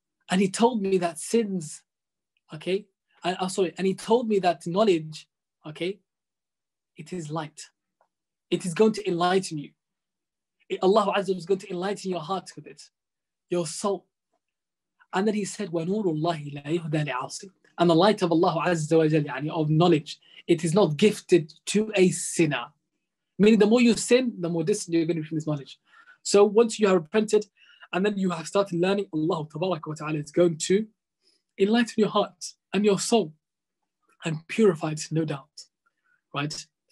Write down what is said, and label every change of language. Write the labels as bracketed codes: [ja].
[en] And he told me that sins, okay, and he told me that knowledge, okay, it is light. It is going to enlighten you. Allah Azza is going to enlighten your heart with it, your soul. And then he said, [ar] وَنُورُ اللَّهِ لَا يُهْدَى لِعَاصِمٍ. [en] And the light of Allah Azza wa Jalla, yani of knowledge, it is not gifted to a sinner. Meaning the more you sin, the more distant you're going to be from this knowledge. So once you have repented, and then you have started learning, Allah Tabarak wa Ta'ala is going to enlighten your heart and your soul and purify it, no doubt. Right?